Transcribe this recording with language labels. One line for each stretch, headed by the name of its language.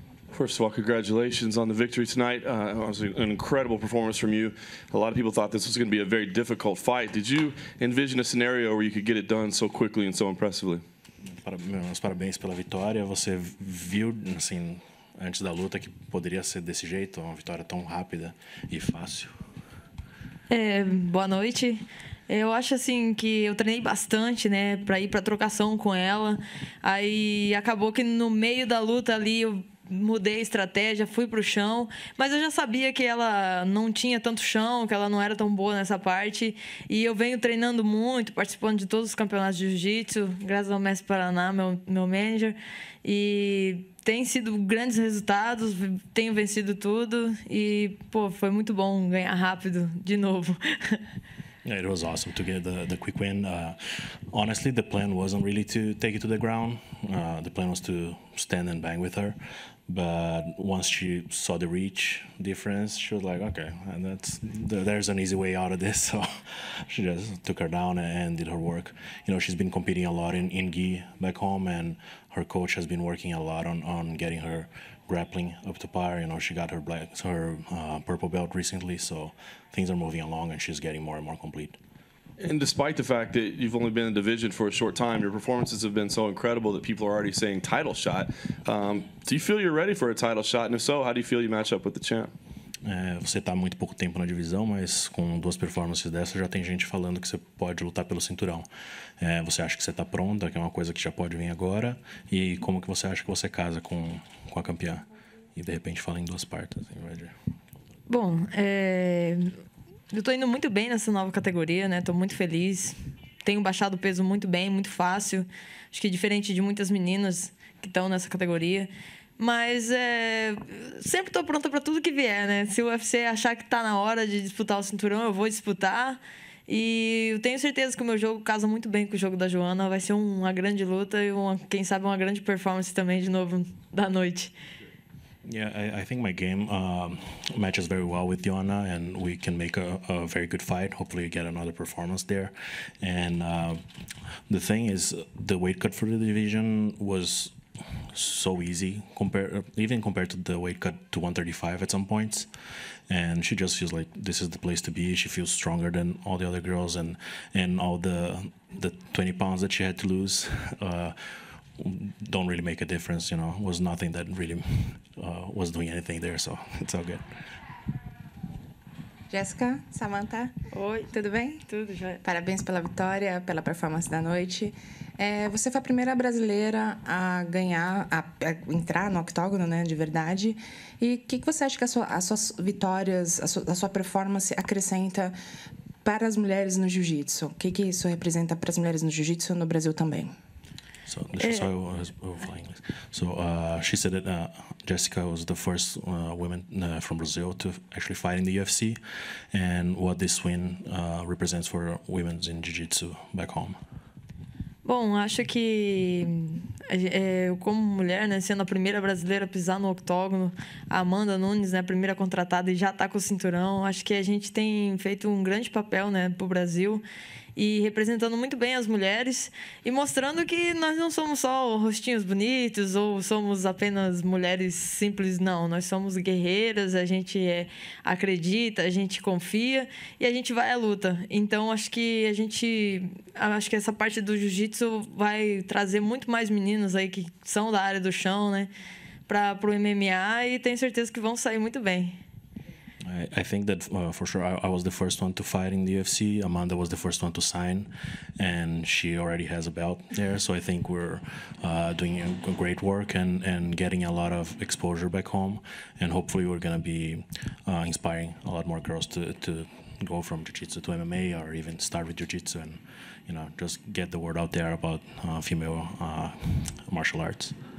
English: First of all, congratulations on the victory tonight. It was an incredible performance from you. A lot of people thought this was going to be a very difficult fight. Did you envision a scenario where you could get it done so quickly and so impressively?
Portuguese: Parabéns pela vitória. Você viu, assim, antes da luta, que poderia ser desse jeito, uma vitória tão rápida e fácil? Boa noite. Eu acho assim que eu treinei bastante, né, para ir para trocação com ela. Aí acabou que no meio da luta ali eu mudei a estratégia, fui pro chão, mas eu já sabia que ela não tinha tanto chão, que ela não era tão boa nessa parte. E eu venho treinando muito, participando de todos os campeonatos de jiu-jitsu, graças ao Mestre Paraná, meu manager, e tem sido grandes resultados, tenho vencido tudo e, pô, foi muito bom ganhar rápido de novo.
English: Yeah, it was awesome to get the quick win. Honestly, the plan wasn't really to take it to the ground. The plan was to stand and bang with her. But once she saw the reach difference, she was like, okay, and there's an easy way out of this. So she just took her down and did her work. You know, she's been competing a lot in gi back home, and her coach has been working a lot on getting her grappling up to par. You know, she got her purple belt recently, so things are moving along and she's getting more and more complete. And despite the fact that you've only been in the division for a short time, your performances have been so incredible that people are already saying title shot. Do you feel you're ready for a title shot? And if so, how do you feel you match up with the champ?
Portuguese: Você está muito pouco tempo na divisão, mas com duas performances dessas já tem gente falando que você pode lutar pelo cinturão. Você acha que você está pronta, que é uma coisa que já pode vir agora? E como que você acha que você casa com a campeã? E de repente fala em duas partes. Bom, eu estou indo muito bem nessa nova categoria, né? Estou muito feliz. Tenho baixado o peso muito bem, muito fácil. Acho que é diferente de muitas meninas que estão nessa categoria. Mas sempre estou pronta para tudo que vier, né? Se o UFC achar que está na hora de disputar o cinturão, eu vou disputar. E eu tenho certeza que o meu jogo casa muito bem com o jogo da Joana. Vai ser uma grande luta e, quem sabe, uma grande performance também de novo da noite.
English: Yeah, I think my game matches very well with Joana, and we can make a very good fight. Hopefully, get another performance there. And the thing is, the weight cut for the division was so easy, compared to the weight cut to 135 at some points. And she just feels like this is the place to be. She feels stronger than all the other girls, and all the 20 pounds that she had to lose don't really make a difference, you know. It was nothing that really was doing anything there, so it's all good. Jessica, Samantha.
Portuguese: Oi, tudo bem? Tudo, joia. Parabéns pela vitória, pela performance da noite. Você foi a primeira brasileira a ganhar, a entrar no octógono, né, de verdade. E o que você acha que as suas vitórias, a sua performance acrescenta para as mulheres no jiu-jitsu? O que isso representa para as mulheres no jiu-jitsu no Brasil também?
English: So, I'll fly English. So she said that Jessica was the first woman from Brazil to actually fight in the UFC, and what this win represents for women in jiu-jitsu back home.
Portuguese: Bom, acho que eu, como mulher, né, sendo a primeira brasileira a pisar no octógono, a Amanda Nunes, né, a primeira contratada e já está com o cinturão, acho que a gente tem feito um grande papel, né, para o Brasil, e representando muito bem as mulheres e mostrando que nós não somos só rostinhos bonitos ou somos apenas mulheres simples, não. Nós somos guerreiras, a gente acredita, a gente confia e a gente vai à luta. Então, acho que essa parte do jiu-jitsu vai trazer muito mais meninos aí que são da área do chão, né, para o MMA, e tenho certeza que vão sair muito bem.
English: I think that for sure I was the first one to fight in the UFC. Amanda was the first one to sign, and she already has a belt there. So I think we're doing great work and getting a lot of exposure back home. And hopefully we're going to be inspiring a lot more girls to go from jiu-jitsu to MMA, or even start with jiu-jitsu and, you know, just get the word out there about female martial arts.